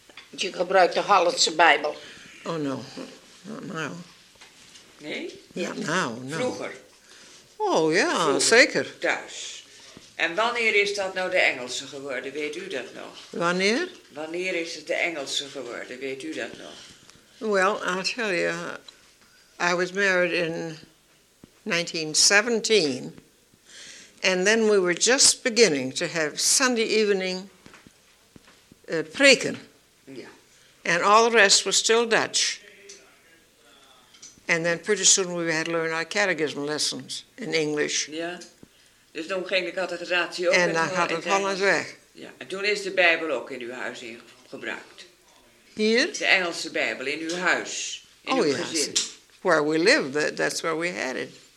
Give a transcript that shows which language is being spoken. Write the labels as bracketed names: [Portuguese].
[Dutch] Je gebruikt de Hollandse Bijbel. [English] Oh no, not now. [Dutch] Nee? [English] Ja. Not now, no. [Dutch] Vroeger. Oh ja, [English] yeah, [Dutch] zeker. Thuis. En wanneer is dat nou de Engelse geworden, weet u dat nog? Wanneer? Wanneer is het de Engelse geworden, weet u dat nog? [English] Well, I'll tell you, I was married in 1917, and then we were just beginning to have Sunday evening [Dutch] preken. [English] Yeah. And all the rest was still Dutch. And then pretty soon we had to learn our catechism lessons in English. Yeah. [Dutch] Dus toen ging de catechisatie ook. En dan gaat het Hollands weg. Ja. En toen is de Bijbel ook in uw huis gebruikt. Hier? De Engelse Bijbel in uw huis, in uw gezin. [English] Where we live, that's where we had it.